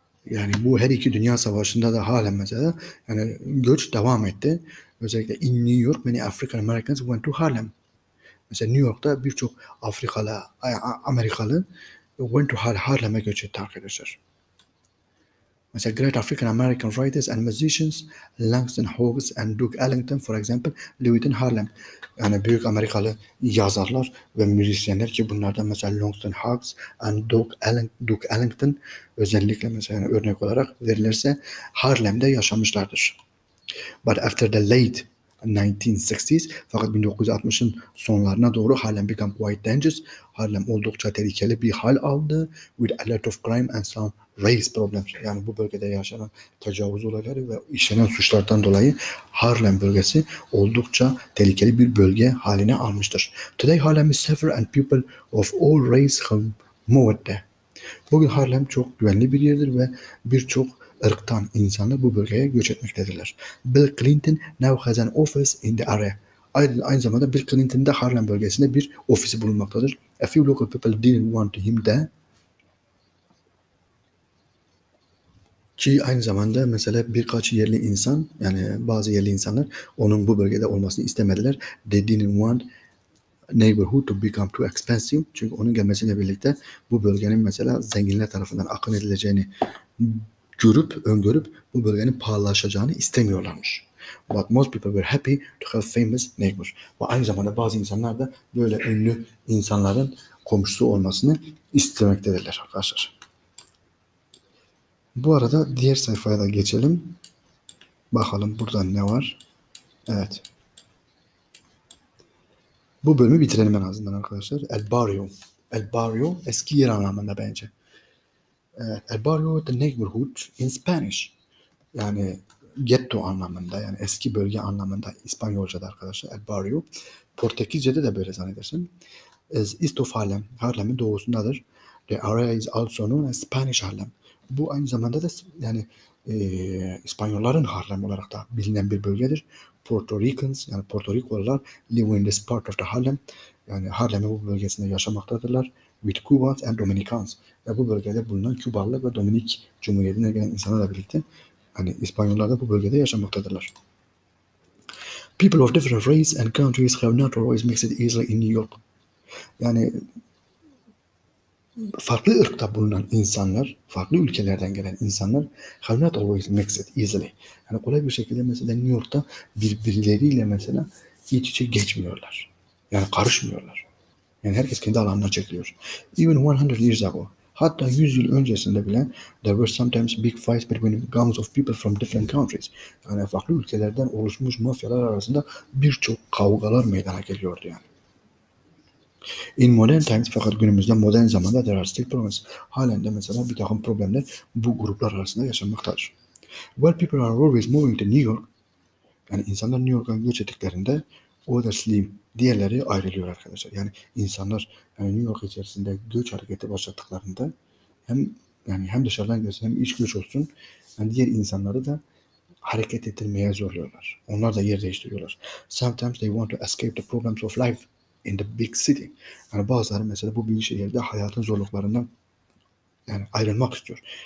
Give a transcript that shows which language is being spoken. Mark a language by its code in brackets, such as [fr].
[tr] Yani bu her iki dünya savaşında da halen mesela yani göç devam etti. Özellikle [en] in New York many African Americans went to Harlem. [tr] Mesela New York'ta birçok Afrikalı, Amerikalı [en] went to [tr] Harlem'e göç etti arkadaşlar. [en] Mesela great African American writers and musicians Langston Hughes and Duke Ellington for example lived in Harlem. [tr] Yani büyük Amerikalı yazarlar ve müzisyenler ki bunlardan mesela Langston Hughes and Duke Ellington özellikle mesela yani örnek olarak verilirse Harlem'de yaşamışlardır. [en] But after the late 1960s [tr] fakat 1960'ın sonlarına doğru [en] Harlem became quite dangerous. [tr] Harlem oldukça tehlikeli bir hal aldı [en] with a lot of crime and some race problems. [tr] Yani bu bölgede yaşanan tecavüz olayları ve işlenen suçlardan dolayı Harlem bölgesi oldukça tehlikeli bir bölge haline almıştır. [en] Today Harlem is safer and people of all race have moved there. [tr] Bugün Harlem çok güvenli bir yerdir ve birçok ırktan insanlar bu bölgeye göç etmektedirler. [en] Bill Clinton now has an office in the area. [tr] Aynı zamanda Bill Clinton de Harlem bölgesinde bir ofisi bulunmaktadır. [en] A few local people didn't want him there. [tr] Ki aynı zamanda mesela birkaç yerli insan, yani bazı yerli insanlar onun bu bölgede olmasını istemediler. [en] They didn't want neighborhood to become too expensive. [tr] Çünkü onun gelmesiyle birlikte bu bölgenin mesela zenginler tarafından akın edileceğini görüp, öngörüp bu bölgenin pahalılaşacağını istemiyorlarmış. [en] But most people were happy to have famous neighbors. [tr] Ve aynı zamanda bazı insanlar da böyle ünlü insanların komşusu olmasını istemektedirler arkadaşlar. Bu arada diğer sayfaya da geçelim. Bakalım burada ne var. Evet. Bu bölümü bitirelim en azından arkadaşlar. El Barrio. El Barrio eski yer anlamında bence. [en] El Barrio the neighborhood in Spanish. [tr] Yani ghetto anlamında yani eski bölge anlamında İspanyolca'da arkadaşlar. El Barrio. Portekizce'de de böyle zannedersin. [en] East of Harlem. [tr] Harlem'in doğusundadır. [en] The area is also known as Spanish Harlem. [tr] Bu aynı zamanda da yani İspanyolların Harlem olarak da bilinen bir bölgedir. [en] Puerto Ricans [tr] yani Puerto Ricolular [en] live in this part of the Harlem. [tr] Yani Harlem'in bu bölgesinde yaşamaktadırlar. [en] With Cubans and Dominicans. [tr] Ve bu bölgede bulunan Kübalı ve Dominik Cumhuriyeti'ne gelen insanlarla birlikte hani İspanyollar da bu bölgede yaşamaktadırlar. [en] People of different races and countries have not always mixed easily in New York. [tr] Yani farklı ırkta bulunan insanlar, farklı ülkelerden gelen insanlar [en] have not always mixed easily. [tr] Yani kolay bir şekilde mesela New York'ta birbirleriyle mesela iç içe geçmiyorlar. Yani karışmıyorlar. Yani herkes kendi alanına çekiliyor. [en] Even 100 years ago, [tr] hatta 100 yıl öncesinde bile [en] there were sometimes big fights between gangs of people from different countries. [tr] Yani farklı ülkelerden oluşmuş mafyalar arasında birçok kavgalar meydana geliyordu yani. [en] In modern times, [tr] fakat günümüzde modern zamanda [en] there are still problems. [tr] Halen de mesela bir takım problemler bu gruplar arasında yaşanmaktadır. [en] While people are always moving to New York, [tr] yani insanlar New York'a göç ettiklerinde [en] others leave, [tr] diğerleri ayrılıyor arkadaşlar. Yani insanlar yani New York içerisinde göç hareketi başlattıklarında hem yani hem dışarıdan gelsin hem iç göç olsun yani diğer insanları da hareket ettirmeye zorluyorlar. Onlar da yer değiştiriyorlar. [en] Sometimes they want to escape the problems of life in the big city. [tr] Yani bazıları mesela bu büyük şehirde hayatın zorluklarından yani ayrılmak istiyor.